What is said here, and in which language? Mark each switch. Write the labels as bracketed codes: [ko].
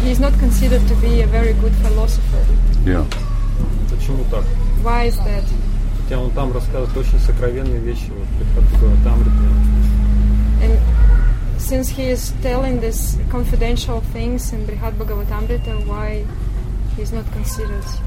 [en] He is not considered to be a very good philosopher. Yeah. [ru] Почему так? [en] Why is that? [ru] Хотя он там рассказывает очень сокровенные вещи, вот приходит там, например. [en] And since he is telling these confidential things in Brihat Bhagavatamrita, why he's not considered?